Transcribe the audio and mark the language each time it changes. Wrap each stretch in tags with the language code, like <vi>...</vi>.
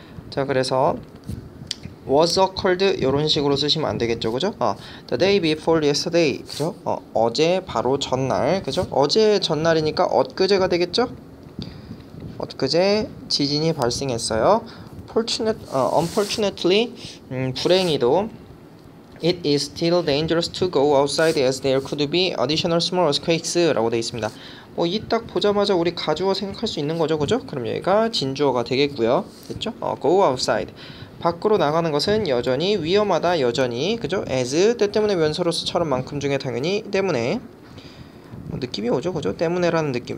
<ko>자, 그래서 was occurred 이런 식으로 쓰시면 안 되겠죠, 그죠?</ko> <en>The day before yesterday,</en> <ko>그죠? 어제 바로 전날, 그죠? 어제 전날이니까 엊그제가 되겠죠? 엊그제 지진이 발생했어요.</ko> <en>Unfortunately, 불행히도 It is still dangerous to go outside as there could be additional small earthquakes라고</en> <ko>돼 있습니다. 뭐이딱 보자마자 우리 가주어 생각할 수 있는 거죠, 그죠? 그럼 여기가 진주어가 되겠고요, 됐죠?</ko> <en>Go outside.</en> <ko>밖으로 나가는 것은 여전히 위험하다, 여전히, 그죠? As 때 때문에 면사로서처럼만큼 중에 당연히 때문에 뭐 느낌이 오죠, 그죠? 때문에라는 느낌.</ko>